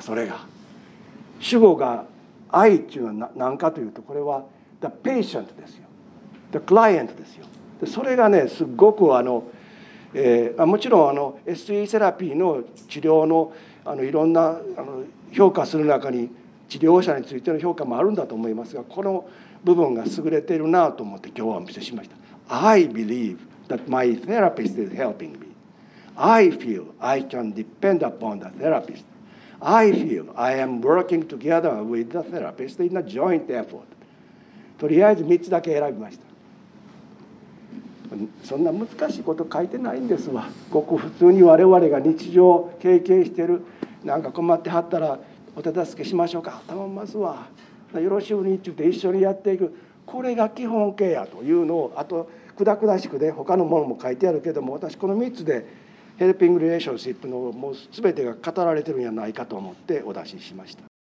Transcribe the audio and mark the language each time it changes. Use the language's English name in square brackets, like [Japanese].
[Japanese] それが主語が愛っていうのは何かというと、これは The patient ですよ、 The client ですよ。でそれがね、すごくもちろんSE セラピーの治療のいろんな評価する中に治療者についての評価もあるんだと思いますが、この部分が優れているなと思って今日はお見せしました。 [English] I believe that my therapist is helping me. I feel I can depend upon the therapist. I feel I am working together with the therapist in a joint effort. [Japanese] とりあえず3つだけ選びました。そんな難しいこと書いてないんですわ。ごく普通に我々が日常経験してる、なんか困ってはったらお手助けしましょうか、頼みますわ、よろしゅうにって言って一緒にやっていく、これが基本形やというのを、あとくだくだしくで、ね、他のものも書いてあるけども、私この3つでヘルピングリレーションシップのもう全てが語られてるんじゃないかと思ってお出ししました。